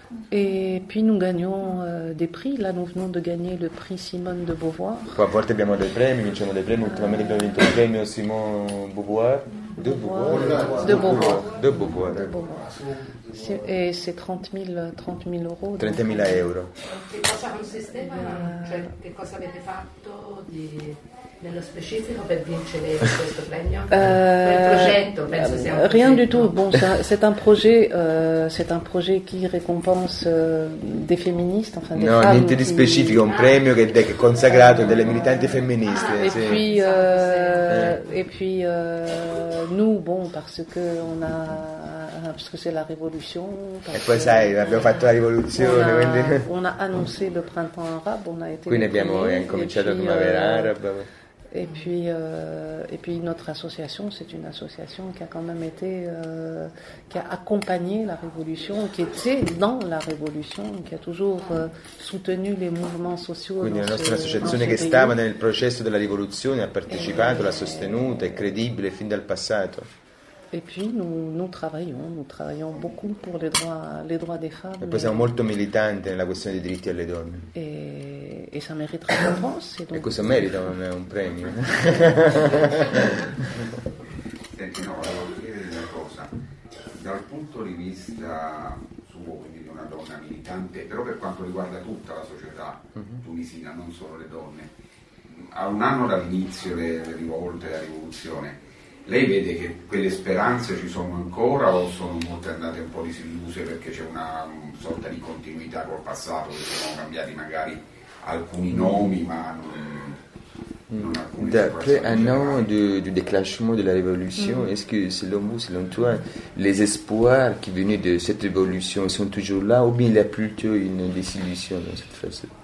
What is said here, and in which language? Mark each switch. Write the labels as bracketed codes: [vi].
[fr] Et puis nous gagnons des prix. Là, nous venons de gagner le prix Simone de Beauvoir. [it] Poi, a volte abbiamo dei premi, vinciamo dei premi. Ultimamente abbiamo vinto il premio Simone Beauvoir. [fr] De Beauvoir. Et c'est 30 000 euros. 30 000 euros. [it] Che cosa consisteva? Cioè, che cosa avete fatto? nello specifico per vincere questo premio? Quel progetto, penso sia un progetto. [fr] Rien du tout. Bon, c'est un projet qui récompense des féministes, enfin des femmes. [it] No, niente di specifico, un premio che è consacrato a delle militanti femministe. [fr] Et puis, nous, bon, parce que on a parce que c'est la révolution. Et puis ça, [it] abbiamo fatto la rivoluzione. [fr] On a annoncé le printemps arabe, on a été. [it] Quindi abbiamo incominciato la primavera araba. [fr] Et puis notre association, c'est une association qui a quand même été, qui a accompagné la révolution, qui était dans la révolution, qui a toujours soutenu les mouvements sociaux. [it] Quindi la nostra associazione che stava nel processo della rivoluzione ha partecipato, l'ha sostenuta, è credibile fin dal passato. [fr] Et puis nous travaillons beaucoup pour les droits des femmes. [it] E poi siamo molto militanti nella questione dei diritti alle donne. [fr] Et ça mérite une récompense. [it] E questo merita un premio. Senti, no, volevo chiedere una cosa. Dal punto di vista suo, quindi di una donna militante, però per quanto riguarda tutta la società tunisina, non solo le donne, a un anno dall'inizio delle rivolte, della rivoluzione, lei vede che quelle speranze ci sono ancora o sono molte andate un po' disilluse perché c'è una sorta di continuità col passato, che sono cambiati magari alcuni nomi, ma non [fr] d'après un an du déclenchement de la révolution, est-ce que selon vous, selon toi, les espoirs qui venaient de cette révolution sont toujours là ou bien il y a plutôt une désillusion dans cette phase?